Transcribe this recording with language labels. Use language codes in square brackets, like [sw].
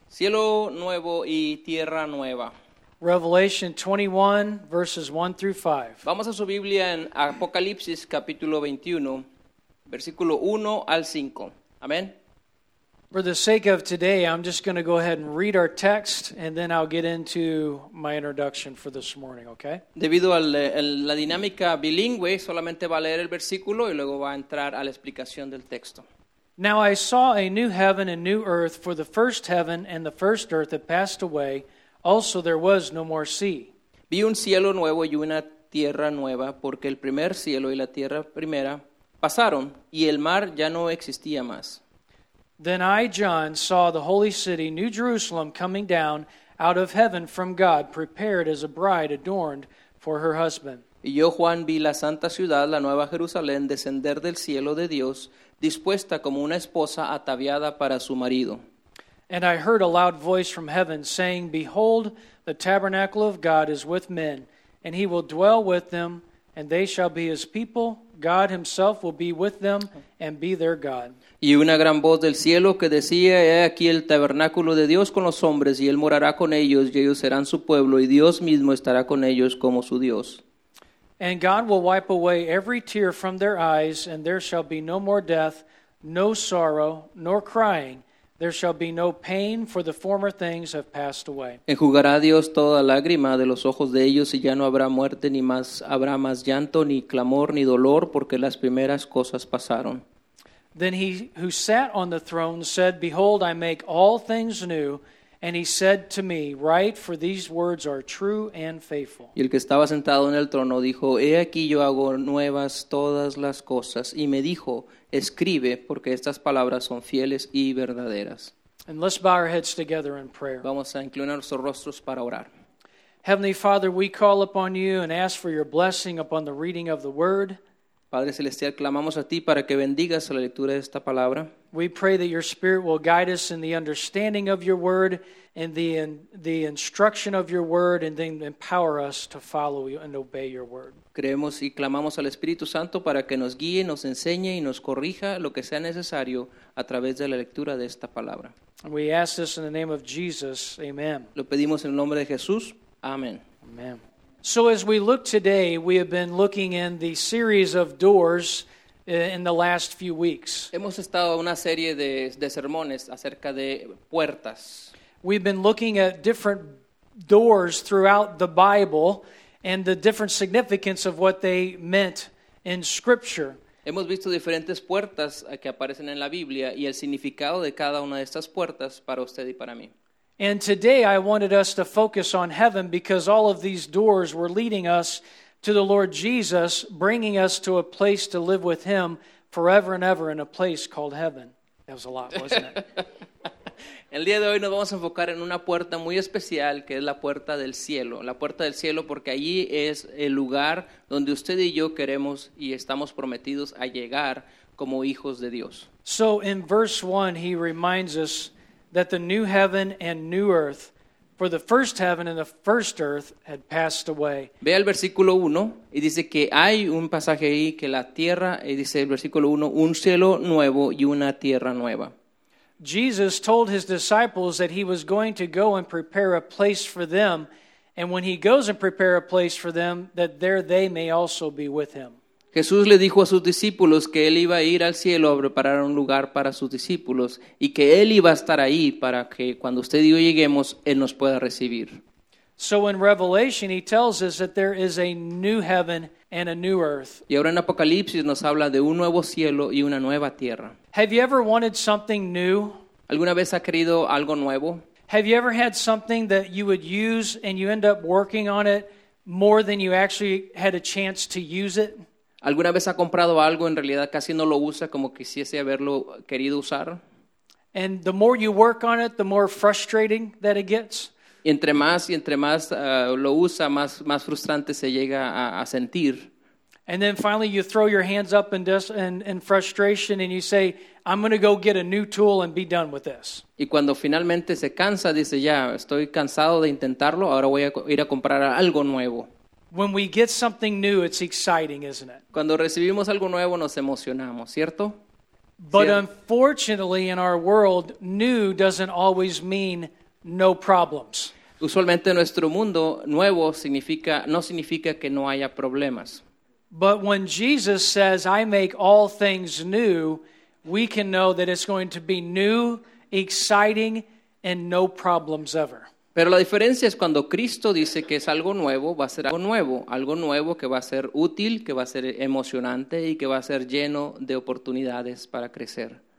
[es] Cielo nuevo y tierra nueva. [en] Revelation 21, verses 1 through 5. [es] Vamos a su Biblia en Apocalipsis, capítulo 21, versículo 1 al 5. Amén. [en] For the sake of today, I'm just going to go ahead and read our text, and then I'll get into my introduction for this morning, okay? [es] Debido a la dinámica bilingüe, solamente va a leer el versículo y luego va a entrar a la explicación del texto. [en] Now I saw a new heaven and new earth, for the first heaven and the first earth had passed away. Also there was no more sea. [es] Vi un cielo nuevo y una tierra nueva, porque el primer cielo y la tierra primera pasaron, y el mar ya no existía más. [en] Then I, John, saw the holy city, New Jerusalem, coming down out of heaven from God, prepared as a bride adorned for her husband. [es] Y yo, Juan, vi la santa ciudad, la nueva Jerusalén, descender del cielo de Dios, dispuesta como una esposa ataviada para su marido. [en] And I heard a loud voice from heaven saying, Behold, the tabernacle of God is with men, and he will dwell with them, and they shall be his people. God himself will be with them and be their God. [es] Y una gran voz del cielo que decía, He aquí el tabernáculo de Dios con los hombres, y él morará con ellos, y ellos serán su pueblo, y Dios mismo estará con ellos como su Dios. [en] And God will wipe away every tear from their eyes, and there shall be no more death, no sorrow, nor crying. There shall be no pain, for the former things have passed away. [es] Enjugará Dios toda lágrima de los ojos de ellos, y ya no habrá muerte, ni más habrá más llanto, ni clamor, ni dolor, porque las primeras cosas pasaron. [en] Then he who sat on the throne said, Behold, I make all things new. And he said to me, Write, for these words are true and faithful. [es] Y el que estaba sentado en el trono dijo, He aquí yo hago nuevas todas las cosas. Y me dijo, Escribe, porque estas palabras son fieles y verdaderas. [en] And let's bow our heads together in prayer. [es] Vamos a inclinar nuestros rostros para orar. [en] Heavenly Father, we call upon you and ask for your blessing upon the reading of the word. [es] Padre Celestial, clamamos a ti para que bendigas la lectura de esta palabra. [en] We pray that your spirit will guide us in the understanding of your word and the instruction of your word and then empower us to follow you and obey your word. [es] Creemos y clamamos al Espíritu Santo para que nos guíe, nos enseñe y nos corrija lo que sea necesario a través de la lectura de esta palabra. [en] We ask this in the name of Jesus. Amen. [es] Lo pedimos en el nombre de Jesús. Amén. [en] Amen. So as we look today, we have been looking in the series of doors in the last few weeks. [es] Hemos estado una serie de sermones acerca de puertas. [en] We've been looking at different doors throughout the Bible and the different significance of what they meant in Scripture. [es] Hemos visto diferentes puertas que aparecen en la Biblia y el significado de cada una de estas puertas para usted y para mí. [en] And today I wanted us to focus on heaven because all of these doors were leading us to the Lord Jesus, bringing us to a place to live with him forever and ever in a place called heaven. That was a lot, wasn't it? [es] El día de hoy nos vamos a enfocar en una puerta muy especial que es la puerta del cielo. La puerta del cielo porque allí es el lugar donde usted y yo queremos y estamos prometidos a llegar como hijos de Dios. [en] So in verse 1 he reminds us that the new heaven and new earth, for the first heaven and the first earth had passed away. [es] Ve el versículo 1 y dice que hay un pasaje ahí que la tierra, y dice el versículo 1, un cielo nuevo y una tierra nueva. [en] Jesus told his disciples that he was going to go and prepare a place for them, and when he goes and prepare a place for them, that there they may also be with him. [es] Jesús le dijo a sus discípulos que él iba a ir al cielo a preparar un lugar para sus discípulos y que él iba a estar ahí para que cuando usted y yo lleguemos, él nos pueda recibir. [en] So in Revelation he tells us that there is a new heaven and a new earth. [es] Y ahora en Apocalipsis nos habla de un nuevo cielo y una nueva tierra. [en] Have you ever wanted something new? [es] ¿Alguna vez ha querido algo nuevo? [en] Have you ever had something that you would use and you end up working on it more than you actually had a chance to use it? [es] ¿Alguna vez ha comprado algo en realidad casi no lo usa como quisiese haberlo querido usar? [en] And the more you work on it, the more frustrating that it gets. [es] Y entre más lo usa, más frustrante se llega a sentir. [en] And then finally you throw your hands up in frustration and you say, I'm going to go get a new tool and be done with this. [es] Y cuando finalmente se cansa, dice, ya, estoy cansado de intentarlo, ahora voy a ir a comprar algo nuevo. [en] When we get something new, it's exciting, isn't it? [es] Cuando recibimos algo nuevo, nos emocionamos, ¿cierto? [en] But unfortunately, in our world, new doesn't always mean no problems. [es] Usualmente en nuestro mundo, nuevo significa, no significa que no haya problemas. [en] But when Jesus says, I make all things new, we can know that it's going to be new, exciting, and no problems ever. [es] Pero la diferencia es cuando Cristo dice que es algo nuevo, va a ser algo nuevo que va a ser útil, que va a ser emocionante y que va a ser lleno de oportunidades para crecer.